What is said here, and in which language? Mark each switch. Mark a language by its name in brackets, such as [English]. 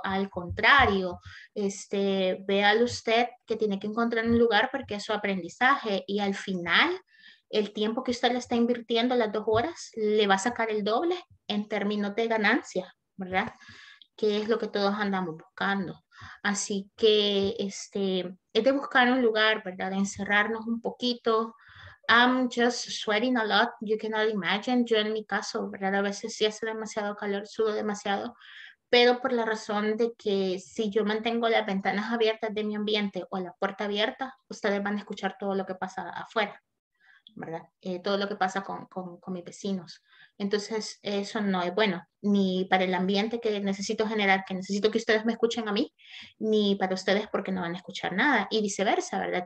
[Spanish] Al contrario, véalo usted que tiene que encontrar un lugar porque es su aprendizaje y al final, el tiempo que usted le está invirtiendo, las 2 horas, le va a sacar el doble en términos de ganancia, ¿verdad? Que es lo que todos andamos buscando. Así que es de buscar un lugar, ¿verdad? De encerrarnos un poquito. [English] I'm just sweating a lot, you cannot imagine. [Spanish] Yo en mi caso, ¿verdad?, a veces sí hace demasiado calor, sudo demasiado. Pero por la razón de que si yo mantengo las ventanas abiertas de mi ambiente o la puerta abierta, ustedes van a escuchar todo lo que pasa afuera, ¿verdad? Todo lo que pasa con mis vecinos. Entonces, eso no es bueno, ni para el ambiente que necesito generar, que necesito que ustedes me escuchen a mí, ni para ustedes porque no van a escuchar nada, y viceversa, ¿verdad?